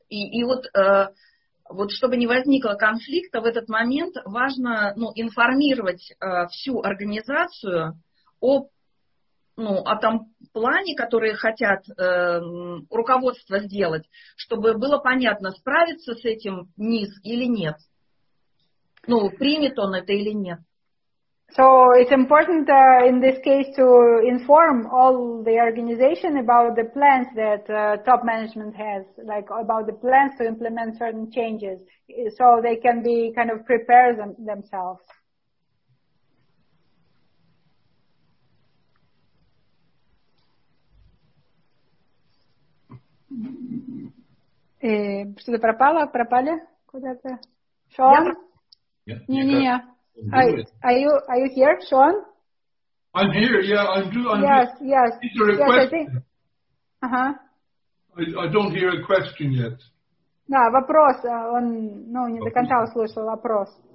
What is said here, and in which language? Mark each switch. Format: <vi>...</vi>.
<ru>И вот чтобы не возникло конфликта, в этот момент важно информировать всю организацию о том плане, который хотят руководство сделать, чтобы было понятно, справится с этим низ или нет. Ну, примет он это или нет.</ru> <en>So it's important in this case to inform all the organization about the plans that top management has, like about the plans to implement certain changes, so they can be kind of prepare themselves.</en> <ru>Что-то пропало? Пропали куда-то? Шон? Не-не-не.</ru> <en>Are you here, Sean? I'm here. Yeah, I'm doing. Yes, yes. Is there a question? Think, uh-huh. I don't hear a question yet.</en> <ru>Да, вопрос. Он, не до конца услышал вопрос.</ru>